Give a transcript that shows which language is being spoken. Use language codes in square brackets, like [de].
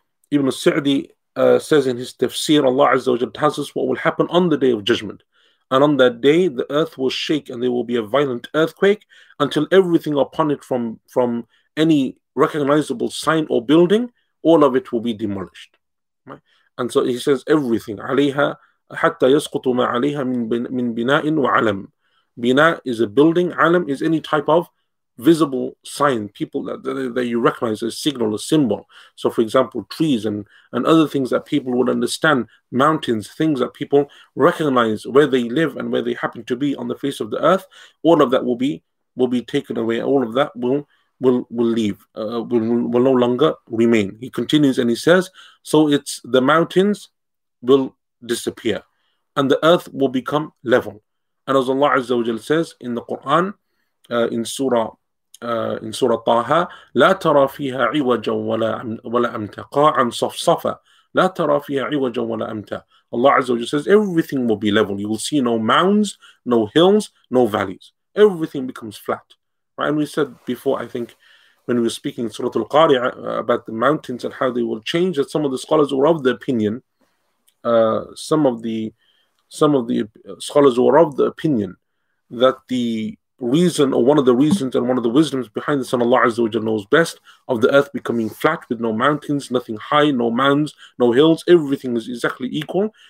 [en] Ibn Sa'di says in his tafsir, Allah Azza wa Jalla tells us what will happen on the Day of Judgment. And on that day, the earth will shake and there will be a violent earthquake until everything upon it, from any recognizable sign or building, all of it will be demolished. Right? And so he says, everything, [ar] عَلَيْهَا حَتَّى يَسْقُطُ مَا عَلَيْهَا مِنْ بِنَاءٍ وَعَلَمٍ. [en] Bina is a building, alam is any type of visible sign, people that you recognize, a signal, a symbol. So for example, trees and other things that people would understand, mountains, things that people recognize, where they live and where they happen to be on the face of the earth, all of that will be taken away. All of that will leave, will no longer remain. He continues and he says, so it's the mountains will disappear and the earth will become level. And as Allah Azza wa Jal says in the Quran, in Surah Taha, [ar] لَا تَرَى فِيهَا عِوَجًا وَلَا أَمْتَ قَاعًا صَفْصَفًا لَا تَرَى فِيهَا عِوَجًا وَلَا أَمْتَ. [en] Allah Azza wa Jal says, everything will be level. You will see no mounds, no hills, no valleys. Everything becomes flat. Right? And we said before, I think, when we were speaking in Surah Al-Qari'ah about the mountains and how they will change, that some of the scholars were of the opinion, that the reason, or one of the reasons and one of the wisdoms behind this, and Allah Azza wa Jalla knows best, of the earth becoming flat with no mountains, nothing high, no mounds, no hills, everything is exactly equal,